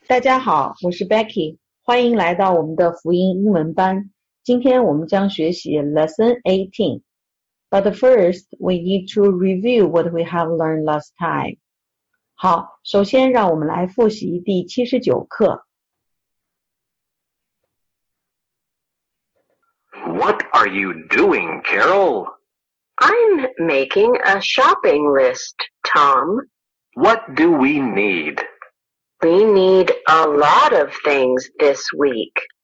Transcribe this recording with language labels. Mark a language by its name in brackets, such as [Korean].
[Chinese] 大家好，我是 Becky，欢迎来到我们的福音英文班。今天我们将学习 Lesson 18。 [English] But first, we need to review what we have learned last time。 [Chinese] 好，首先让我们来复习第79课。 [English] What are you doing, Carol? I'm making a shopping list, Tom. What do we need? We need a lot of things this week.